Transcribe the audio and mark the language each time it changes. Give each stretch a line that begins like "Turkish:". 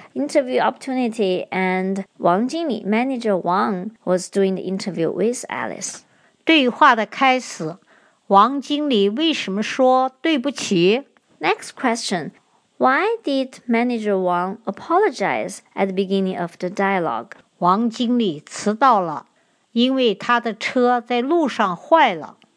English: interview opportunity, and Wang Jingli, manager Wang, was doing the interview with Alice.
Chinese: 对话的开始，王经理为什么说对不起？
English: Next question, why did manager Wang apologize at the beginning of the dialogue?
Chinese: 王经理迟到了，因为他的车在路上坏了。